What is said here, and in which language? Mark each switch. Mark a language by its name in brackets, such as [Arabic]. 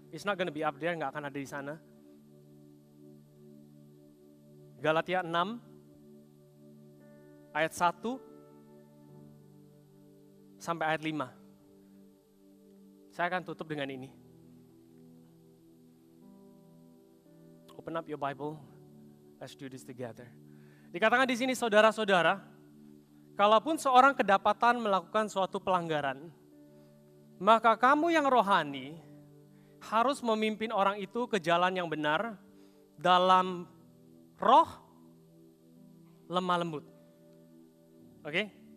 [English] It's not gonna be up there, [Indonesian] gak akan ada di sana. Galatia 6, ayat 1, sampai ayat 5. Saya akan tutup dengan ini. [English] Open up your Bible, let's do this together. [Indonesian] Dikatakan di sini, saudara-saudara, kalaupun seorang kedapatan melakukan suatu pelanggaran, maka kamu yang rohani harus memimpin orang itu ke jalan yang benar dalam roh lemah lembut. Oke?